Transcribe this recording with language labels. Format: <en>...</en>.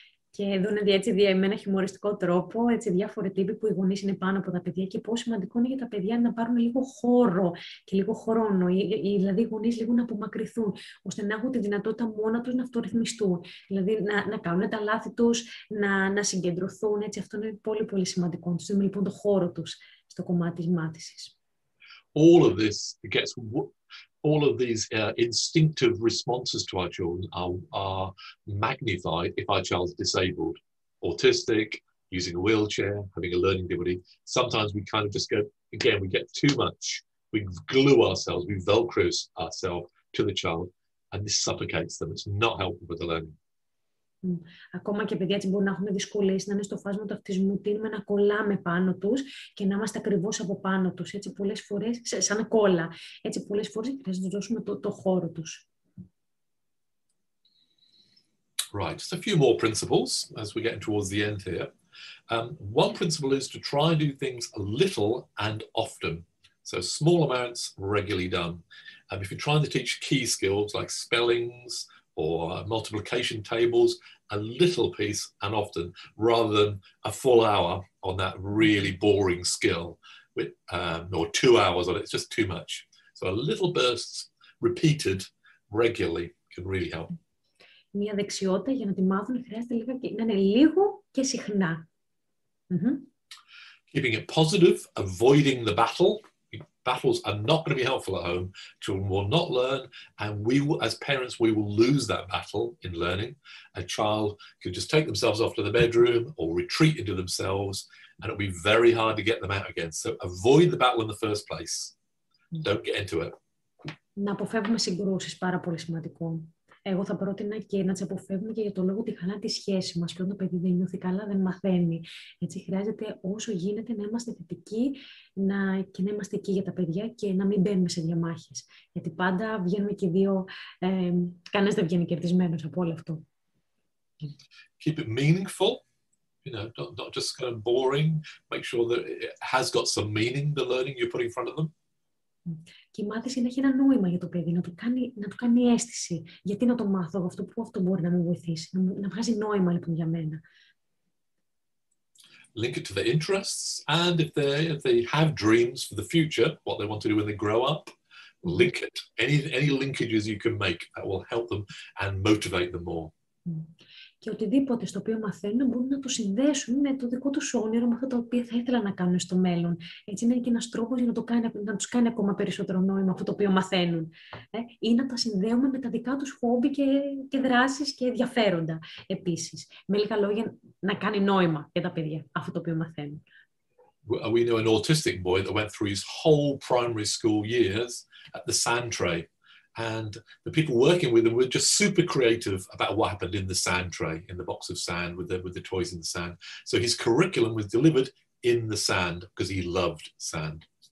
<el>Και εδώ είναι έτσι με ένα χιουμοριστικό τρόπο, έτσι διάφοροι τύποι που οι γονείς είναι πάνω από τα παιδιά και πόσο σημαντικό είναι για τα παιδιά να πάρουν λίγο χώρο και λίγο χρόνο, δηλαδή οι γονείς λίγο να απομακρυνθούν, ώστε να έχουν τη δυνατότητα μόνα τους να αυτορυθμιστούν, δηλαδή να κάνουν τα λάθη τους, να συγκεντρωθούν, έτσι αυτό είναι πολύ πολύ σημαντικό. Τους δίνουμε λοιπόν το χώρο τους στο κομμάτι της μάθησης.</el> <en>All of this gets... All of these instinctive responses to our children are magnified if our child's disabled, autistic, using a wheelchair, having a learning disability. Sometimes we kind of just go, again, we get too much. We glue ourselves, we velcro ourselves to the child, and this suffocates them. It's not helpful for the learning.</en> <el>Ακόμα και παιδιά έτσι μπορεί να έχουμε δυσκολίες, να είναι στο φάσμα του αυτισμού, τείνουμε να κολλάμε πάνω τους και να είμαστε ακριβώς από πάνω τους, έτσι πολλές φορές, σαν κόλλα, έτσι πολλές φορές χρειάζεται να τους δώσουμε το χώρο τους.</el> <en>Right, just a few more principles as we're getting towards the end here. One principle is to try and do things little and often. So small amounts regularly done. If you're trying to teach key skills like spellings, or multiplication tables, a little piece and often, rather than a full hour on that really boring skill, or 2 hours on it, it's just too much. So a little bursts, repeated, regularly, can really help.</en> <el>Μια δεξιότητα για να τη μάθουν χρειάζεται λίγο και να είναι λίγο και συχνά.</el> <en>Keeping it positive, avoiding the battle. Battles are not going to be helpful at home. Children will not learn, and we will, as parents, we will lose that battle in learning. A child can just take themselves off to the bedroom or retreat into themselves, and it'll be very hard to get them out again. So avoid the battle in the first place. Don't get into it.</en> <el>Να αποφεύγουμε συγκρούσεις, πάρα πολύ σημαντικό. Εγώ θα πρότεινα και να τις αποφεύγουμε και για το λόγο ότι χαλά τη σχέση μας. Και όταν το παιδί δεν νιώθει καλά, δεν μαθαίνει. Έτσι χρειάζεται όσο γίνεται να είμαστε θετικοί και να είμαστε εκεί για τα παιδιά και να μην μπαίνουμε σε διαμάχες. Γιατί πάντα βγαίνουμε και δύο, κανένας δεν βγαίνει κερδισμένος από όλο αυτό.</el> <en>Keep it meaningful, you know, not just kind of boring. Make sure that it has got some meaning, the learning you're putting in front of them.</en> <el>Και η μάθηση να έχει ένα νόημα για το παιδί, να του κάνει αίσθηση. Γιατί να το μάθω αυτό, που αυτό μπορεί να μου βοηθήσει, να βγάζει νόημα λοιπόν για μένα.</el> <en>Link it to their interests, and if they have dreams for the future, what they want to do when they grow up, link it. Any linkages you can make that will help them and motivate them more.</en> <el>Και οτιδήποτε στο οποίο μαθαίνουν μπορούν να το συνδέσουν με το δικό τους όνειρο, με αυτά τα οποία θα ήθελα να κάνουν στο μέλλον. Έτσι είναι και ένας τρόπος για να τους κάνει ακόμα περισσότερο νόημα αυτό το οποίο μαθαίνουν. Ή να τα συνδέουμε με τα δικά τους χόμπι και δράσεις και ενδιαφέροντα επίσης. Με λίγα λόγια, να κάνει νόημα για τα παιδιά αυτό το οποίο μαθαίνουν.</el> <en>We know an autistic boy that went through his whole primary school years at the sand tray. and the people working with them were just super creative about what happened in the sand tray, in the box of sand, with the toys in the sand. So his curriculum was delivered in the sand because he loved sand.</en>